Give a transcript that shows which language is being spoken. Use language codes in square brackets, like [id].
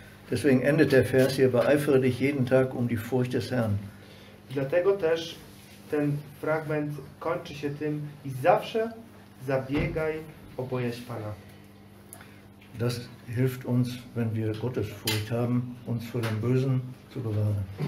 [de] Deswegen endet der Vers hier, beeifere dich jeden Tag um die Furcht des Herrn. [pl] Dlatego też ten fragment kończy się tym, i zawsze zabiegaj o bojaźń Pana. [de] Das hilft uns, wenn wir Gottes Furcht haben, uns vor dem Bösen zu bewahren.